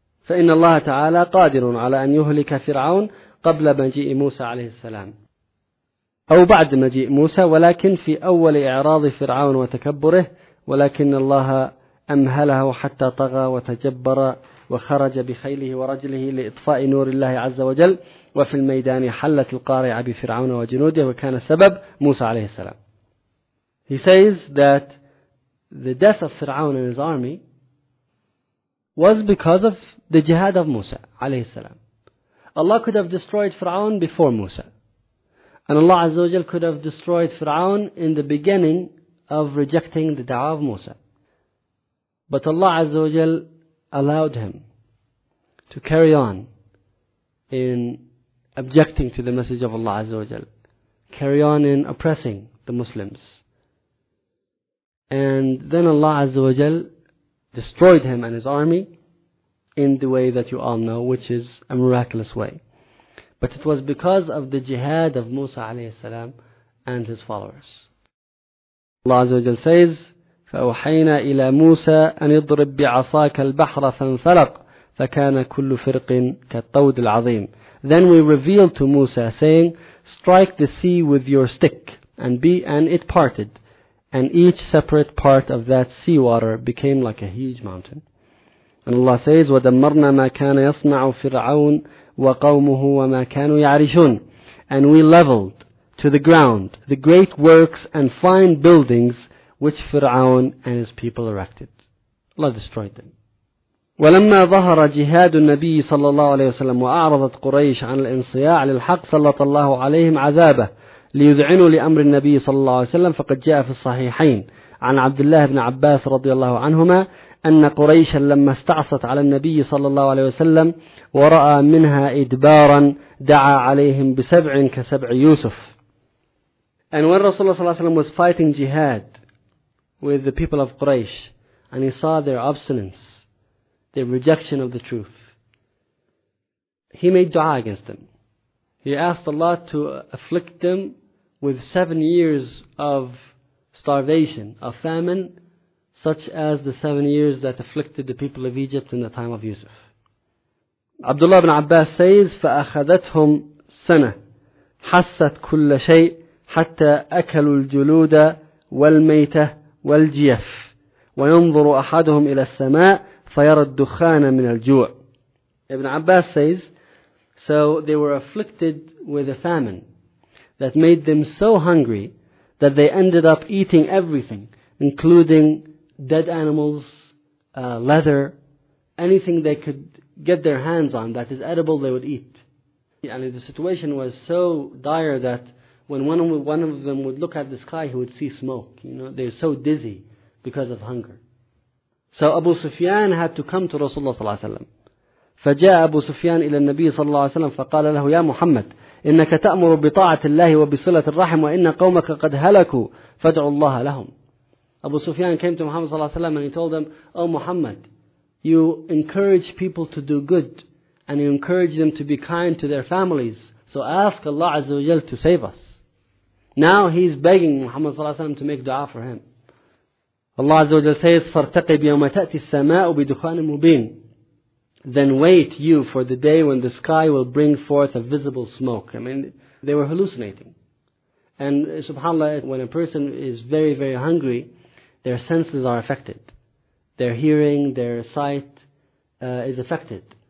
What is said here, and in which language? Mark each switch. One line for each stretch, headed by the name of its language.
Arabic: فإن الله تعالى قادر على أن يهلك فرعون قبل مجيء موسى عليه السلام أو بعد مجيء موسى، ولكن في أول إعراض فرعون وتكبره، ولكن الله أمهله حتى طغى وتجبر وخرج بخيله ورجله لإطفاء نور الله عز وجل، وفي الميدان حلت القارعة بفرعون وجنوده، وكان سبب موسى عليه السلام.
English: He says that the death of Fir'aun and his army was because of the jihad of Musa عليه السلام. Allah could have destroyed Fir'aun before Musa, and Allah عز وجل could have destroyed Fir'aun in the beginning of rejecting the da'wah of Musa. But Allah عز وجل allowed him to carry on in objecting to the message of Allah عز وجل, carry on in oppressing the Muslims. And then Allah Azza wa Jal destroyed him and his army in the way that you all know, which is a miraculous way. But it was because of the jihad of Musa alayhi salam and his followers. Allah Azza wa Jal says,
Arabic: فَأُوحَيْنَا إِلَى مُوسَىٰ أَنْ يَضْرِبْ بِعَصَاكَ الْبَحْرَ فَانْفَلَقْ فَكَانَ كُلُّ فِرْقٍ كَالطَّوْدِ الْعَظِيمِ.
English: Then we revealed to Musa saying, strike the sea with your stick, and be, and it parted. And each separate part of that seawater became like a huge mountain. And Allah says,
Arabic: وَدَمَّرْنَا مَا كَانَ يَصْنَعُ فِرْعَوْنُ وَقَوْمُهُ وَمَا كَانُوا يَعْرِشُونَ.
English: And we leveled to the ground the great works and fine buildings which Fir'aun and his people erected. Allah destroyed them.
Arabic: وَلَمَّا ظَهَرَ جِهَادُ النَّبِيِّ صَلَّى اللَّهُ عَلَيْهِ وَسَلَّمُ وَأَعْرَضَتْ قُرَيْشَ عَنَ الْإِنْصِيَاعِ لِلْحَقِّ صَلَّطَ اللَّهُ عَلَيْهِمْ عَذَابَهُ ليذعنوا لأمر النبي صلى الله عليه وسلم. فقد جاء في الصحيحين عن عبد الله بن عباس رضي الله عنهما أن قريشا لما استعصت على النبي صلى الله عليه وسلم ورأى منها إدبارا دعا عليهم بسبع كسبع يوسف.
English: And when Rasulullah صلى الله عليه وسلم was fighting jihad with the people of Quraysh, and he saw their obstinance, their rejection of the truth, he made dua against them. He asked Allah to afflict them with 7 years of starvation, of famine, such as the 7 years that afflicted the people of Egypt in the time of Yusuf. Abdullah ibn Abbas says,
Arabic: فَأَخَذَتْهُمْ سَنَةٌ حَسَّتْ كُلَّ شَيْءٍ حَتَّى أَكَلُوا الْجُلُودَ وَالْمَيْتَةِ وَالْجِيَفِ وَيُنْظُرُ أَحَدُهُمْ إِلَى السَّمَاءِ فَيَرَى الدُّخَانَ مِنَ الْجُوعِ.
English: Ibn Abbas says, so they were afflicted with a famine that made them so hungry that they ended up eating everything, including dead animals, leather, anything they could get their hands on that is edible, they would eat. And the situation was so dire that when one of them would look at the sky, he would see smoke. You know, they were so dizzy because of hunger. So Abu Sufyan had to come to Rasulullah صلى الله عليه وسلم.
Arabic: فجاء أبو سفيان إلى النبي صلى الله عليه وسلم فقال له يا محمد إنك تأمر بطاعة الله وبصلة الرحم وإن قومك قد هلكوا فادعوا الله لهم.
English: أبو سفيان came to Muhammad صلى الله عليه وسلم and he told him, oh Muhammad, you encourage people to do good and you encourage them to be kind to their families, so ask Allah عز وجل to save us. Now he's begging Muhammad صلى الله عليه وسلم to make dua for him.
Arabic: Allah عز وجل says, فارتقب يوم تأتي السماء بدخان مبين.
English: Then wait you for the day when the sky will bring forth a visible smoke. I mean, they were hallucinating. And subhanAllah, when a person is very, very hungry, their senses are affected. Their hearing, their sight is affected.